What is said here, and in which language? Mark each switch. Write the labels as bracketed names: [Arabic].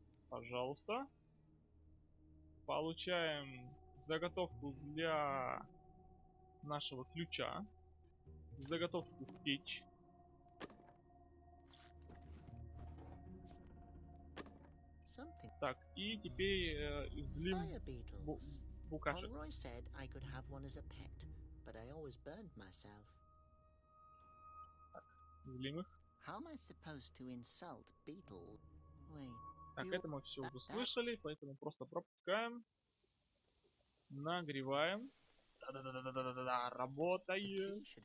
[Russian] Пожалуйста. Получаем заготовку для нашего ключа. Заготовку в печь. [English] Something. [Russian] Так, и теперь взлим букашек. [English] Conroy said I could have one as a pet, but I always burned myself. [Russian] Взлим их. [English] How am I supposed to insult beetle? Wait. [Russian] Так, это мы все уже слышали, поэтому просто пропускаем. Нагреваем. Да-да-да-да-да-да-да-да, работает.